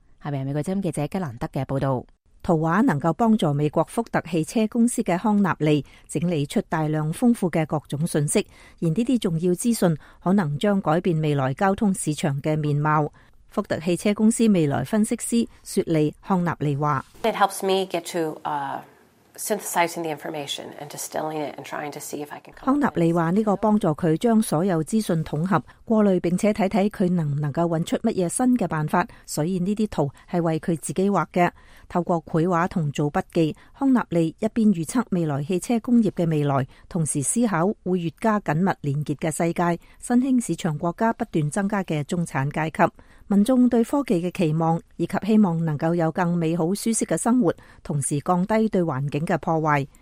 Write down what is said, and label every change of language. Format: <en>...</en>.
<zh>下面是美国之音记者吉兰德的报道。图画能够帮助美国福特汽车公司的康纳利整理出大量丰富的各种信息，而这些重要资讯可能将改变未来交通市场的面貌。福特汽车公司未来分析师雪莉·康纳利说，</zh> <en>It helps me get to synthesizing the information and distilling it and trying to see if I can.</en> <zh>康纳利说这个帮助他将所有资讯统合过滤，并且看看他能够找出什么新的办法，所以这些图是为他自己画的。透过绘画和做笔记，康纳利一边预测未来汽车工业的未来，同时思考会越加紧密连结的世界，新兴市场国家不断增加的中产阶级，民众对科技的期望，以及希望能够有更美好舒适的生活，同时降低对环境的破坏。</zh>